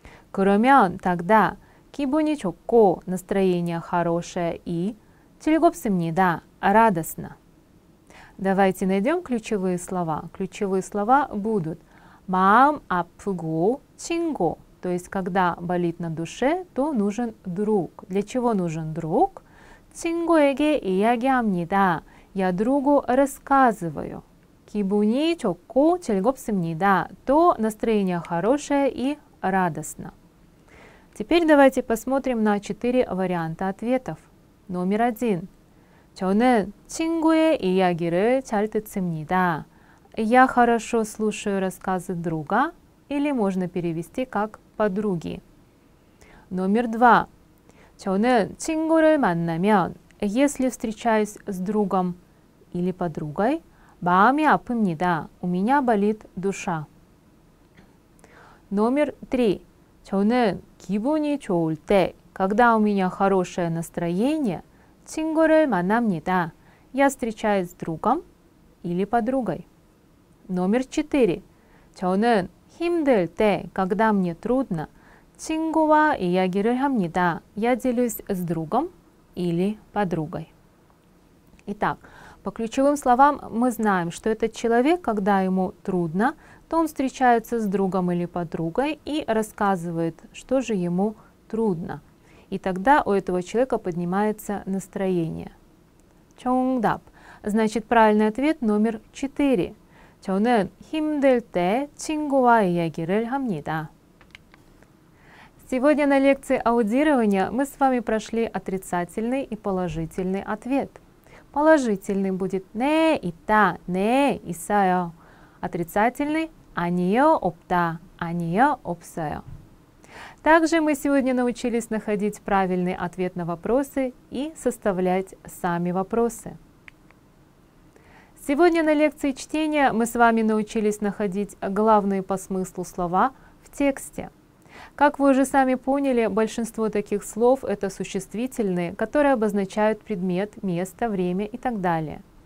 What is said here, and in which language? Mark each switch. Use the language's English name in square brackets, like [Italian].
[Korean] 그러면 [Russian] тогда [Korean] 기분이 좋고, [Russian] настроение хорошее и [Korean] 즐겁습니다, [Russian] радостно. Давайте найдем ключевые слова. Ключевые слова будут [Korean] 마음 아프고, 친구, [Russian] То есть, когда болит на душе, то нужен друг. Для чего нужен друг? [Korean] 친구에게 이야기합니다. [Russian] Я другу рассказываю. [Korean] 기분이 좋고 즐겁습니다. [Russian] То настроение хорошее и радостно. Теперь давайте посмотрим на 4 варианта ответов. Номер 1. 저는 친구의 이야기를 잘 듣습니다. Я хорошо слушаю рассказы друга. Или можно перевести как подруги. Номер 2. [Korean] 저는 친구를 만나면, [Russian] если встречаюсь с другом или подругой, [Korean] 마음이 아픕니다. [Russian] У меня болит душа. Номер 3. [Korean] 저는 기분이 좋을 때, [Russian] когда у меня хорошее настроение, [Korean] 친구를 만납니다. [Russian] Я встречаюсь с другом или подругой. Номер 4. [Korean] 저는 힘들 때, [Russian] когда мне трудно, [Korean] 친구와 이야기를 합니다. [Russian] Я делюсь с другом или подругой. Итак, по ключевым словам мы знаем, что этот человек, когда ему трудно, то он встречается с другом или подругой и рассказывает, что же ему трудно. И тогда у этого человека поднимается настроение. [Korean] 정답. [Russian] Значит, правильный ответ номер 4. [Korean] 저는 힘들 때 친구와 이야기를 합니다. [Russian] Сегодня на лекции аудирования мы с вами прошли отрицательный и положительный ответ. Положительный будет [Korean] 네 있다, 네 있어요. [Russian] Отрицательный [Korean] 아니요 없다, 아니요 없어요. [Russian] Также мы сегодня научились находить правильный ответ на вопросы и составлять сами вопросы. Сегодня на лекции чтения мы с вами научились находить главные по смыслу слова в тексте. Как вы уже сами поняли, большинство таких слов — это существительные, которые обозначают предмет, место, время и так далее.